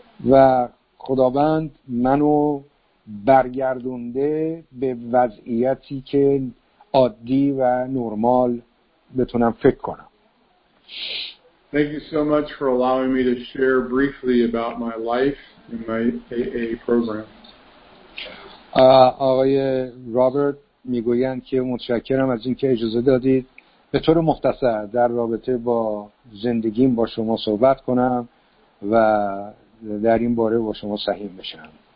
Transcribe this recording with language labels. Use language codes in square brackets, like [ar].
[fa] و خداوند منو برگردونده به وضعیتی که عادی و نرمال بتونم فکر کنم. [en] Thank you so much for allowing me to share briefly about my life in my AA program. [fa] آقای رابرت میگویند که متشکرم از اینکه اجازه دادید به طور مختصر در رابطه با زندگیم با شما صحبت کنم و در این باره با شما سهیم بشم.